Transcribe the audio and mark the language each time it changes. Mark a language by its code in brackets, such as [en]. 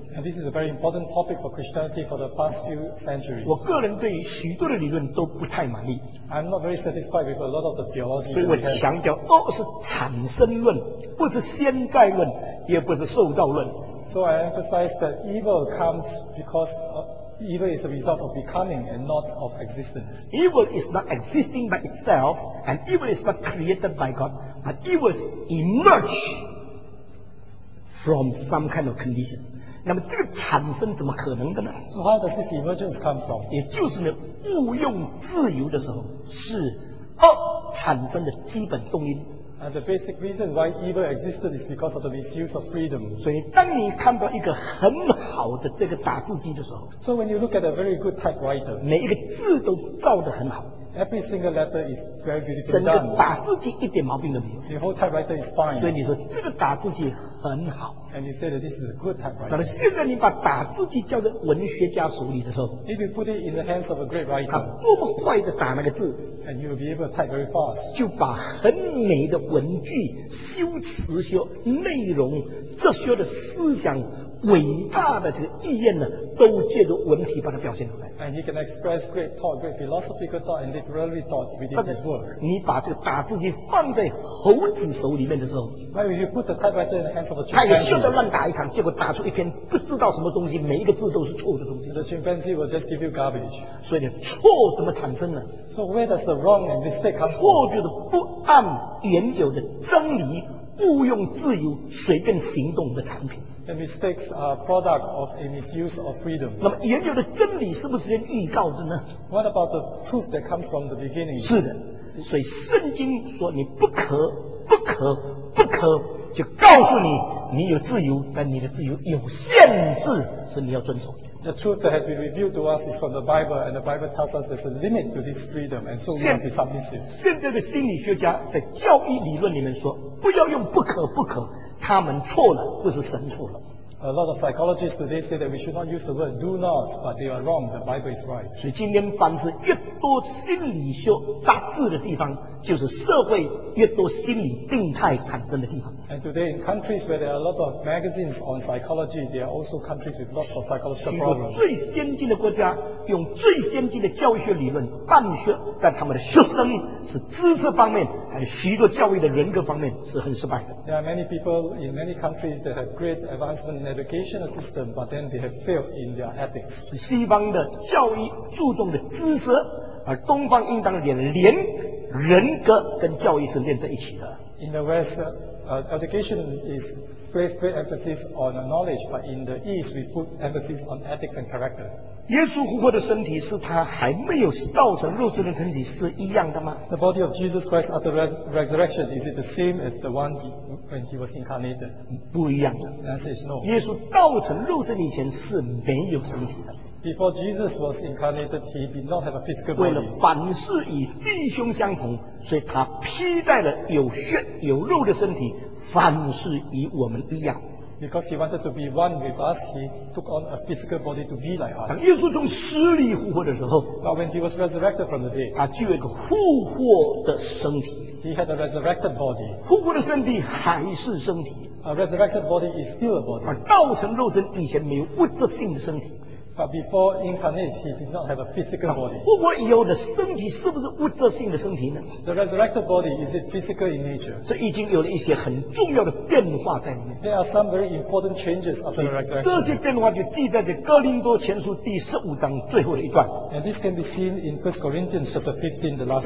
[en] And this is a very important topic for Christianity for the past few centuries. [zh] 我个人对于许多的理论都不太满意。 [en] I'm not very satisfied with a lot of the theology. [zh] 所以我强调，恶是产生论，不是先在论，也不是受造论。 [en] So I emphasize that evil comes because evil is the result of becoming and not of existence. Evil is not existing by itself, and evil is not created by God, but evil emerges from some kind of condition. [zh] 那么这个产生怎么可能的呢？ [en] So how does this emergence come from? [zh] 也就是呢，误用自由的时候是恶产生的基本动因。 [en] And the basic reason why evil existed is because of the misuse of freedom. [zh] 所以当你看到一个很好的这个打字机的时候， [en] So when you look at a very good typewriter, [zh] 每一个字都造得很好， [en] Every single letter is very beautiful. [zh] 整个打字机一点毛病都没有。 [en] The whole typewriter is fine. [zh] 所以你说这个打字机很好。 [en] And you say that this is a good typewriter. [zh] 但是现在你把打字机交给文学家手里的时候 [en] ，If you put it in the hands of a great writer, [zh] 他多么快的打那个字 [en] ，And you will be able to type very fast. [zh] 就把很美的文句、修辞学、内容、哲学的思想。伟大的这个意念呢，都借着文体把它表现出来。 [en] And he can express great thought, great philosophical thought, and literary thought within his work. [zh] 你把这个打字机放在猴子手里面的时候 [en] ，When you put the typewriter in the hands of a chimpanzee, [zh] 他也就在乱打一场，结果打出一篇不知道什么东西，每一个字都是错的东西。 [en] The chimpanzee will just give you garbage. [zh] 所以错怎么产生呢 [en] ？So where does the wrong and mistake come? [zh] 错就是不按原有的真理，误用自由，随便行动的产品。 [en] The mistakes are product of a misuse of freedom. [zh] 那么原有的真理是不是先预告的呢 [en] ？What about the truth that comes from the beginning? [zh] 是的，所以圣经说你不可、不可、不可，就告诉你你有自由，但你的自由有限制，所以你要遵守。 [en] The truth that has been revealed to us is from the Bible, and the Bible tells us there's a limit to this freedom, and so we must be submissive. [zh] 现在的心理学家在教育理论里面说，不要用不可、不可。他们错了，不是神错了。 [en] A lot of psychologists today say that we should not use the word "do not," but they are wrong. The Bible is right. [zh] 所以今天凡是越多心理学杂志的地方，就是社会越多心理病态产生的地方。 [en] And today, in countries where there are a lot of magazines on psychology, there are also countries with lots of psychological problems. [zh] 许多最先进的国家用最先进的教育学理论办学，但他们的学生是知识方面还有许多教育的人格方面是很失败的。 [en] There are many people in many countries that have great advancement in education system, but then they have failed in their ethics. [zh] 西方的教育注重的知识，而东方应当连连人格跟教育是连在一起的。 [en] In the West, education is placed great emphasis on knowledge, but in the East, we put emphasis on ethics and character. [zh] 耶稣复活的身体是他还没有道成肉身的身体是一样的吗 [en] ？The body of Jesus Christ after resurrection is it the same as the one when he was incarnated? [zh] 不一样的。 [en] That says no. [zh] 耶稣道成肉身以前是没有身体的。 [en] Before Jesus was incarnated, he did not have a physical body. [zh] 为了凡事与弟兄相同，所以他披戴了有血有肉的身体，凡事与我们一样。 [en] Because he wanted to be one with us, he took on a physical body to be like us. [zh] 当耶稣从死里复活的时候 [en] ，But when he was resurrected from the dead, [zh] 他具有一个复活的身体。 [en] He had a resurrected body. [zh] 复活的身体还是身体。 [en] A resurrected body is still a body. [zh] 而道成肉身以前没有物质性的身体。 [en] But before incarnate, he did not have a physical body. [zh] 复活以后的身体是不是物质性的身体呢 [en] ？The resurrected body is it physical in nature? [zh] 这已经有了一些很重要的变化在里面。 [en] There are some very important changes after the resurrection. [zh] 这些变化就记在这哥林多前书第十五章最后的一段。 [en] And this can be seen in 1 Corinthians chapter 15, the last.